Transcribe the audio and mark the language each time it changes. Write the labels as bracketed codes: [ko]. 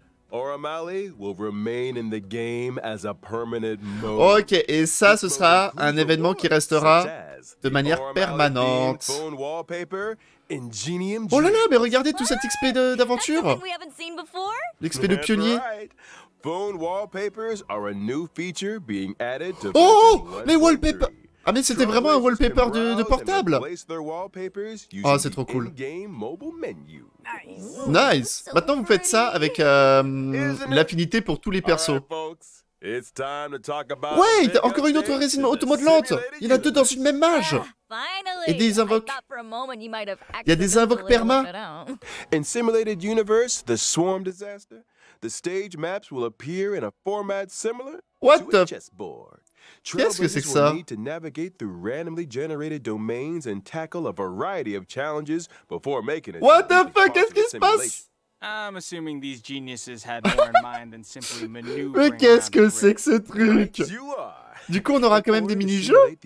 [en] Oramali will remain in the game as a permanent mode. [fr] Ok, et ça, ce sera un événement qui restera de manière permanente. Oh là là, mais regardez tout cet XP d'aventure. L'XP de pionnier. [en] Phone wallpapers are a new feature being added to. [fr] Oh, les wallpapers. Ah mais c'était vraiment un wallpaper de portable. Oh, c'est trop cool. Nice. Maintenant, vous faites ça avec l'affinité pour tous les persos. Wait, encore une autre résine automodelante. Il y en a deux dans une même mage. Et des invoques. Il y a des invoques perma. [en] In simulated universe, the swarm disaster, the stage maps will appear in a format similar to a chessboard. [fr] Qu'est-ce que c'est que ça? [en] To navigate through randomly generated domains and tackle a variety of challenges before making it. What the fuck? [fr] Qu'est-ce qui se passe? [en] I'm assuming these geniuses had more in mind than simply maneuvering. [fr] Mais qu'est-ce que c'est que ce truc? Du coup, on aura quand même des mini-jeux.